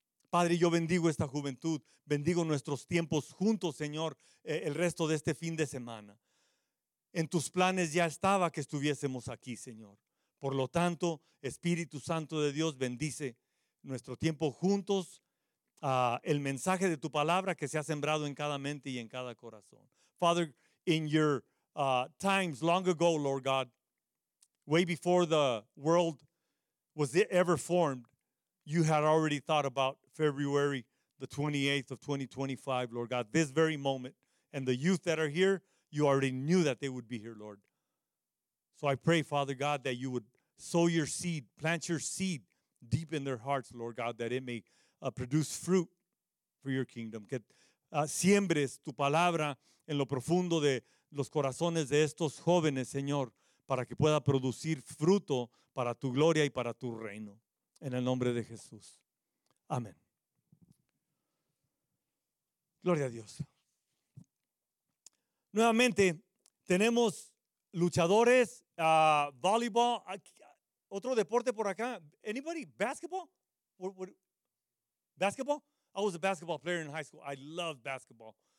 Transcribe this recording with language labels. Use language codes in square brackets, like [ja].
[es] Padre, yo bendigo esta juventud, bendigo nuestros tiempos juntos, Señor, el resto de este fin de semana. En tus planes ya estaba que estuviésemos aquí, Señor. Por lo tanto, Espíritu Santo de Dios, bendice nuestro tiempo juntos, el mensaje de tu palabra que se ha sembrado en cada mente y en cada corazón. [en] Father, in your times long ago, Lord God, way before the world was ever formed, you had already thought about February the 28th of 2025, Lord God, this very moment. And the youth that are here, you already knew that they would be here, Lord. So I pray, Father God, that you would sow your seed, plant your seed deep in their hearts, Lord God, that it may produce fruit for your kingdom. [es] Que siembres tu palabra en lo profundo de los corazones de estos jóvenes, Señor, para que pueda producir fruto para tu gloria y para tu reino. En el nombre de Jesús. Amén. Gloria a Dios. Nuevamente, tenemos luchadores, voleibol, otro deporte por acá. [en] Anybody? Basketball? Basketball? I was a basketball player in high school. I love basketball.